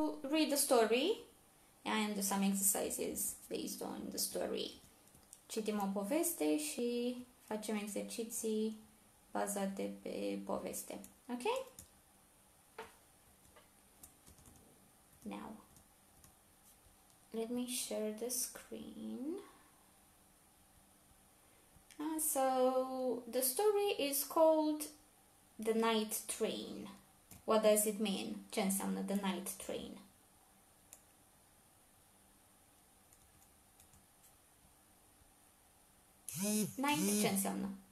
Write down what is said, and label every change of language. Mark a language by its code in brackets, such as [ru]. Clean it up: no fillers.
[en] read the story and do some exercises based on the story. [ro] Citim o poveste și facem exerciții bazate pe poveste. Ok? [en] Now, let me share the screen. So, the story is called The Night Train. What does it mean? [ro] Ce înseamnă The Night Train? Night, ce înseamnă?